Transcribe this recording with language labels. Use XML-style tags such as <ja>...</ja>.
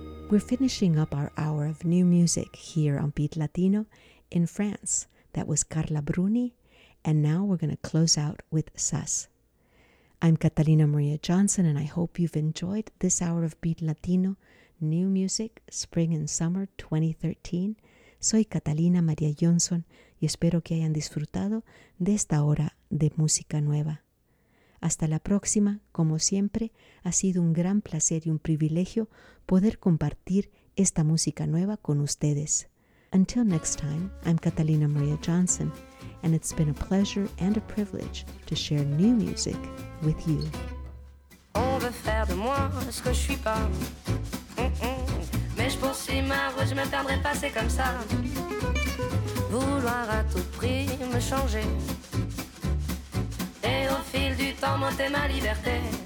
<en>We're finishing up our hour of new music here on Beat Latino in France. That was Carla Bruni, and now we're going to close out with Sas. I'm Catalina Maria Johnson, and I hope you've enjoyed this hour of Beat Latino, new music, spring and summer 2013.</en> <es>Soy Catalina Maria Johnson, y espero que hayan disfrutado de esta hora de música nueva. Hasta la próxima. Como siempre, ha sido un gran placer y un privilegio poder compartir esta música nueva con ustedes.</es> <en>Until next time, I'm Catalina Maria Johnson, and it's been a pleasure and a privilege to share new music with you.</en> <fr>On veut faire de moi ce que je suis pas. Mais je poursuis ma route, je me perdrai pas, c'est comme ça. Vouloir à tout prix me changer. Et au fil du temps, monter ma liberté.</fr>